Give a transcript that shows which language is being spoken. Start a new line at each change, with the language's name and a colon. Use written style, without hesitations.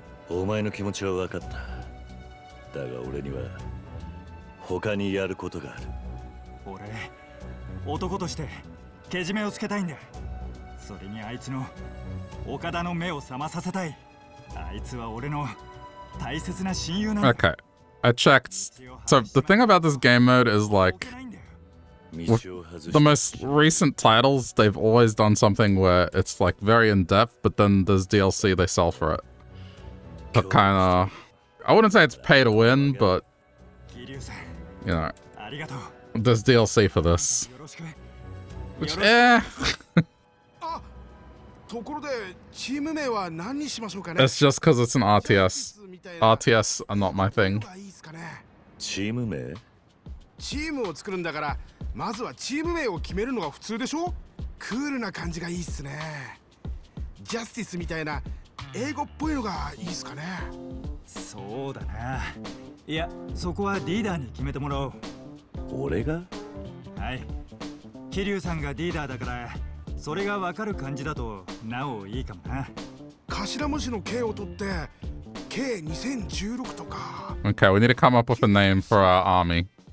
Japanese: お前の気持ちは分かった。だが俺には他にやることがある。俺、男としてけじめをつけたいんだ。それにあいつの岡田の目を覚まさせたい。あいつは俺の大切な親友なんだ。
English: Okay, I checked. So the thing about this game mode is like, the most recent titles, they've always done something where it's like very in-depth, but then there's DLC they sell for it. To kind of, I wouldn't say it's pay to win, but you know, there's DLC for this. Which, eh. It's just because it's an RTS. RTS are not my thing. Team name?
Japanese: Team を作るんだから、まずはチーム名を決めるのが普通でしょ？クールな感じがいいっすね。ジャスティスみたいな英語っぽいのがいいっすかね。そうだな。いや、そこはリーダーに決めてもらおう。俺が？はい。キリュウさんがリーダーだから、それがわかる感じだとなおいいかもな。頭文字の K を取って K2016 とか。
English: Okay, we need to come up with a name for our army.